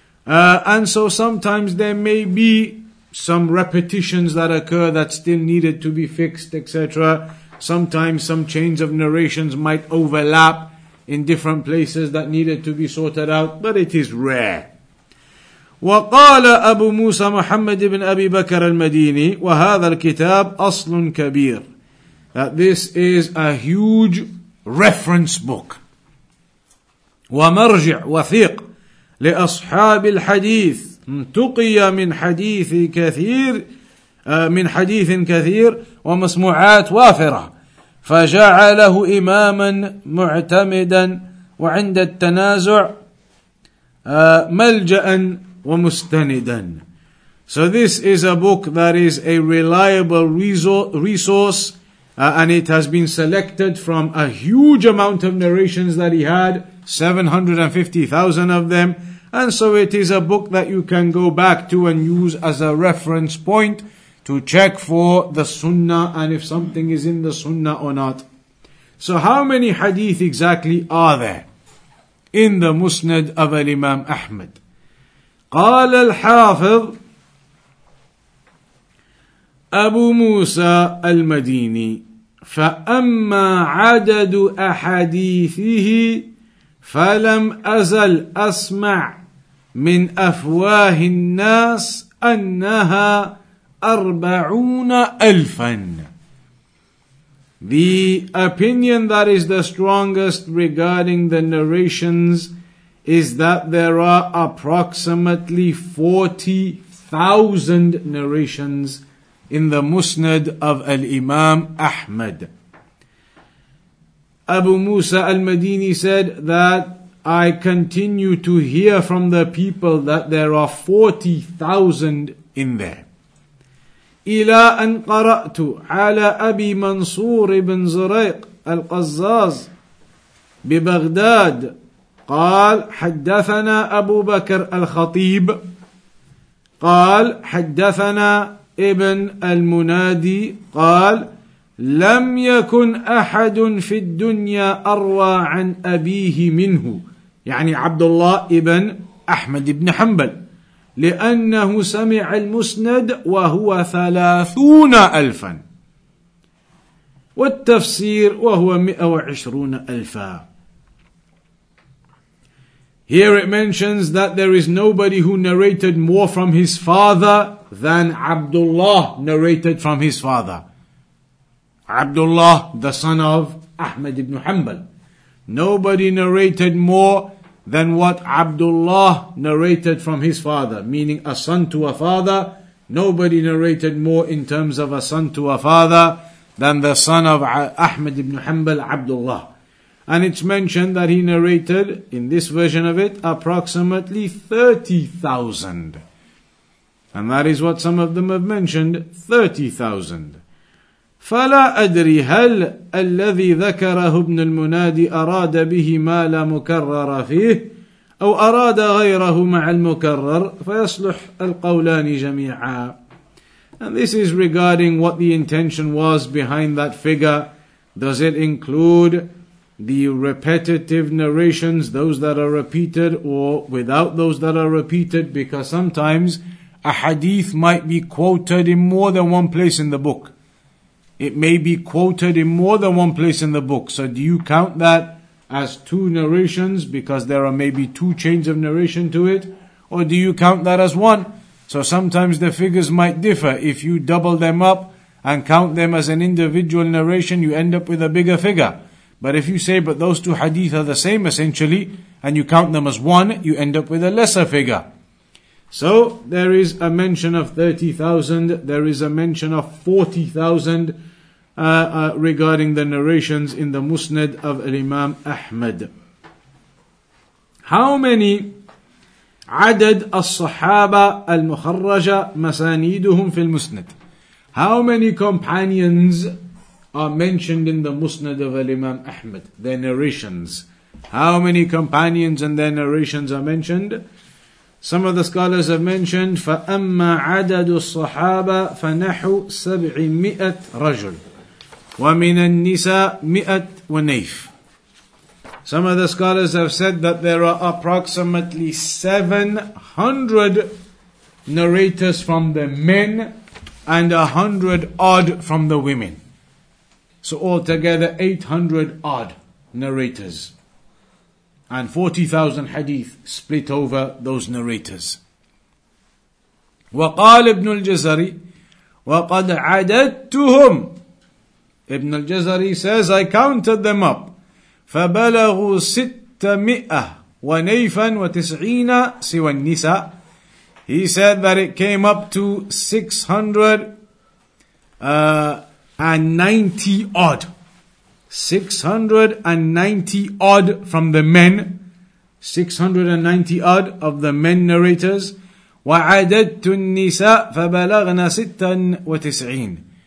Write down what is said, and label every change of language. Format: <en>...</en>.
<en>And so sometimes there may be some repetitions that occur that still needed to be fixed, etc. Sometimes some chains of narrations might overlap in different places that needed to be sorted out, but it is rare.</en> <ar>وقال أبو موسى محمد بن أبي بكر المديني وهذا الكتاب أصل كبير.</ar> <en>That this is a huge reference book.</en> <ar>ومرجع وثيق لأصحاب الحديث تقي من حديث كثير من حديث كثير ومسموعات وافرة. فجعله إماما معتمدا وعند التنازع ملجأ ومستندا.</ar> <en>So this is a book that is a reliable resource, and it has been selected from a huge amount of narrations that he had, 750,000 of them. And so it is a book that you can go back to and use as a reference point to check for the sunnah and if something is in the sunnah or not. So how many hadith exactly are there in the Musnad of Imam Ahmad?</en> <ar>قال الحافظ أبو موسى المديني فأما عدد أحاديثه فلم أزل أسمع من أفواه الناس أنها 40,000.</ar> <en>The opinion that is the strongest regarding the narrations is that there are approximately 40,000 narrations in the Musnad of Al-Imam Ahmad. Abu Musa Al-Madini said that I continue to hear from the people that there are 40,000 in there.</en> <ar>إلى أن قرأت على أبي منصور بن زريق القزاز ببغداد قال حدثنا أبو بكر الخطيب قال حدثنا ابن المنادي قال لم يكن أحد في الدنيا أروى عن أبيه منه يعني عبد الله ابن أحمد بن حنبل لأنه سمع المسند وهو 30,000 والتفسير وهو 120,000.</ar> <en>Here it mentions that there is nobody who narrated more from his father than Abdullah narrated from his father. Abdullah, the son of Ahmad ibn Hanbal. Nobody narrated more than what Abdullah narrated from his father, meaning a son to a father. Nobody narrated more in terms of a son to a father than the son of Ahmad ibn Hanbal, Abdullah. And it's mentioned that he narrated, in this version of it, approximately 30,000. And that is what some of them have mentioned, 30,000.</en> <ar>فلا أدري هل الذي ذكره ابن المنادي أراد به ما لا مكرر فيه أو أراد غيره مع المكرر فيصلح القولان جميعا.</ar> <en>And this is regarding what the intention was behind that figure Does it include the repetitive narrations, those that are repeated, or without those that are repeated? Because sometimes a hadith might be quoted in more than one place in the book. It may be quoted in more than one place in the book. So do you count that as two narrations because there are maybe two chains of narration to it? Or do you count that as one? So sometimes the figures might differ. If you double them up and count them as an individual narration, you end up with a bigger figure. But if you say, but those two hadith are the same essentially, and you count them as one, you end up with a lesser figure. So there is a mention of 30,000, there is a mention of 40,000 regarding the narrations in the Musnad of Imam Ahmad. How many</en> <ar>عدد الصحابة المخرجة مسانيدهم في المسند?</ar> <en>How many companions are mentioned in the Musnad of Imam Ahmad? Their narrations. How many companions and their narrations are mentioned? Some of the scholars have mentioned,</en> <ar>فَأَمَّا عَدَدُ الصَّحَابَةِ فَنَحُ 700 رَجُلٍ وَمِنَ النِّسَاءِ 100 وَنَيْفٍ.</ar> <en>Some of the scholars have said that there are approximately 700 narrators from the men and 100 odd from the women. So altogether 800 odd narrators. And 40,000 hadith split over those narrators.</en> <ar>وقال ابن الجزري وقد عددتهم.</ar> <en>Ibn al-Jazari says, I counted them up.</en> <ar>فبلغوا 600 ونيفا وتسعين سوى النساء.</ar> <en>He said that it came up to 690 odd from the men. 690 odd of the men narrators.</en> <ar>وَعَدَدْتُ النِّسَاءَ فَبَلَغْنَا 96.</ar>